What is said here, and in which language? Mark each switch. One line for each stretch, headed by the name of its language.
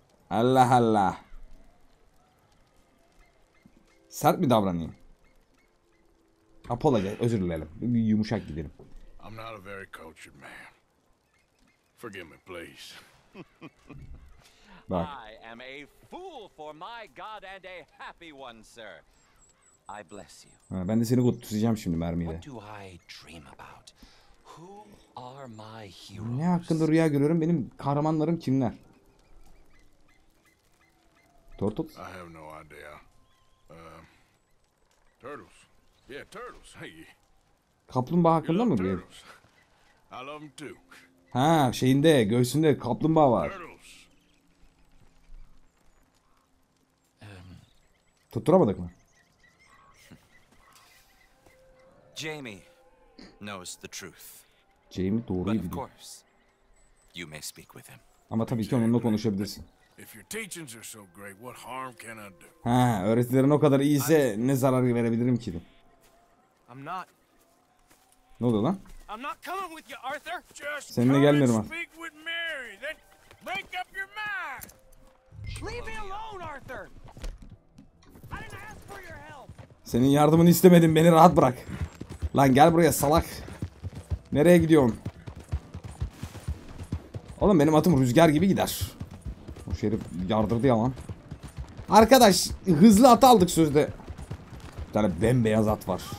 Turkish: Allah Allah. Sert mi davranayım? Apologize, özür dilerim. Bir yumuşak gidelim.
English: I'm not a very cultured man. Forgive me, please. Bak. I am a fool for my God and a happy one, sir. I bless you.
Turkish: Ha, ben de seni kurtaracağım şimdi mermiyle.
English: What do I dream about? Who are my heroes?
Turkish: Ne hakkında rüya görüyorum? Benim kahramanlarım kimler?
English: Tortuk? I have no idea. Turtles. Yeah, turtles. Hey.
Turkish: Kaplumbağa hakkında mı bir?
English: I love them too.
Turkish: Ha, şeyinde, göğsünde kaplumbağa var. Tutturamadık mı?
English: Jamie knows the truth.
Turkish: Jamie doğruyu biliyor.
English: You may speak with him.
Turkish: Ama tabii ki onunla konuşabilirsin.
English: If your teachings are so great, what harm can I do?
Turkish: Ha, öğretilerin o kadar iyiyse ne zarar verebilirim ki?
English: I'm not.
Turkish: Ne oldu lan?
English: I'm not coming with you, Arthur.
Turkish: Seninle gelmiyorum.
English: Speak with Mary. Then make up your mind. Leave me alone, Arthur. I didn't ask for your help.
Turkish: Senin yardımını istemedim. Beni rahat bırak. Lan gel buraya salak. Nereye gidiyorsun? Oğlum benim atım rüzgar gibi gider. O şerif yardırdı ya lan. Arkadaş hızlı at aldık sözde. Bir tane bembeyaz at var.